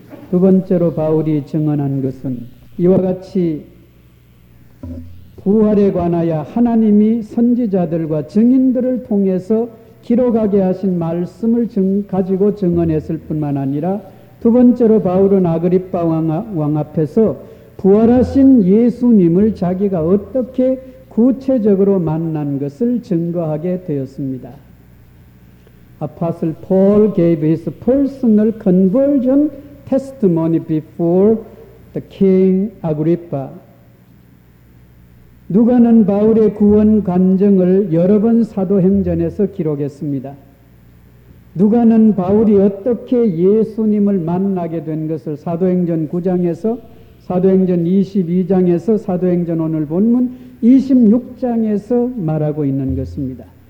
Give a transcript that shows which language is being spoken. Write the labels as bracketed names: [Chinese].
[Korean] 두 번째로 바울이 증언한 것은 이와 같이 부활에 관하여 하나님이 선지자들과 증인들을 통해서 기록하게 하신 말씀을 가지고 증언했을 뿐만 아니라 두 번째로 바울은 아그립바 왕 앞에서 부활하신 예수님을 자기가 어떻게 구체적으로 만난 것을 증거하게 되었습니다. [English] Apostle Paul gave his personal conversion testimony before the King Agrippa. [Korean] 누가는 바울의 구원 간증을 여러 번 사도행전에서 기록했습니다. 누가는 바울이 어떻게 예수님을 만나게 된 것을 사도행전 9장에서, 사도행전 22장에서, 사도행전 오늘 본문 26장에서 말하고 있는 것입니다.